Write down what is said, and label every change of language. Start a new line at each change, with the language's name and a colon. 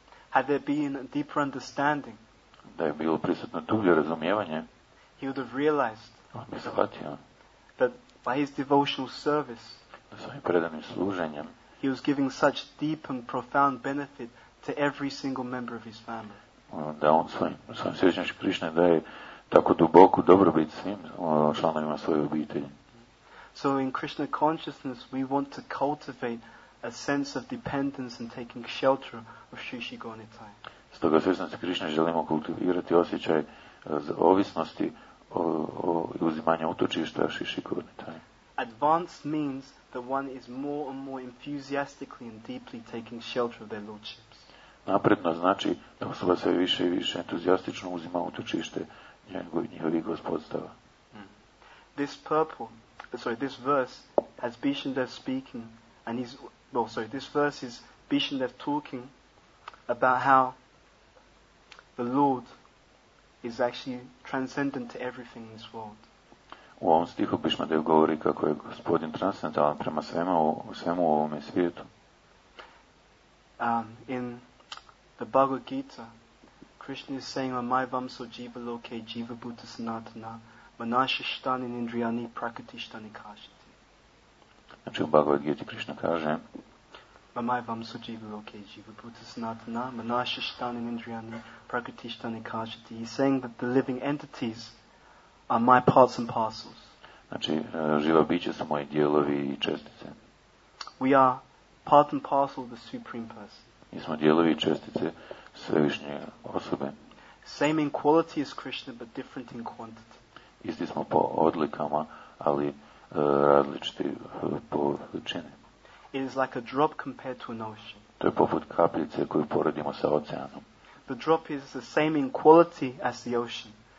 English: Had there been a deeper understanding.
Croatian: Da je bilo prisutno dublje razumijevanje.
English: He would have realized.
Croatian: On bi shvatio.
English: That by his devotional service.
Croatian: Da svojim predanim služenjem.
English: He was giving such deep and profound benefit to every single member of his family.
Croatian: Da on svojim svjesnošću Krišne daje tako duboku dobrobit svim članovima svoje obitelji.
English: So in Krishna consciousness we want to cultivate a sense of dependence and taking shelter of Sri Sri Gaunitai.
Croatian: Stoga svjesnosti Krišne želimo kultivirati osjećaj ovisnosti o uzimanja utočišta Sri Sri Gaunitai.
English: Advanced means that one is more and more enthusiastically and deeply taking shelter of their lordships.
Croatian: Napredno znači da osoba sve više i više entuzijastično uzima utočište njihovih gospodstava.
English: This verse has Bishandev speaking, and this verse is Bishandev talking about how the Lord is actually transcendent to everything in this world.
Croatian: U ovom stihu Bishandev govori kako je gospodin transcendentalan prema svemu u ovome svijetu.
English: In the Bhagavad Gita, Krishna is saying,
Sanskrit: "Amai vamso jiva loke jiva bhuta sanatana, manashishtani nindriyani prakatishtani kashati."
Croatian: Znači u Bhagavad Gita Krishna kaže,
Sanskrit: "Amai vamso jiva loke jiva bhuta sanatana, manashishtani nindriyani prakatishtani kashati."
English: He's saying that the living entities are my parts and parcels.
Croatian: Znači, živa bića su moji dijelovi i čestice.
English: We are part and parcel of the Supreme Person.
Croatian: Mi smo dijelovi i čestice svevišnje osobe.
English: Same in quality as Krishna, but different in quantity.
Croatian: Isti smo po odlikama, ali različiti po veličini.
English: It is like a drop compared to an ocean.
Croatian: To je poput kapljice koju poredimo sa oceanom.
English: The drop is the same in quality as the ocean.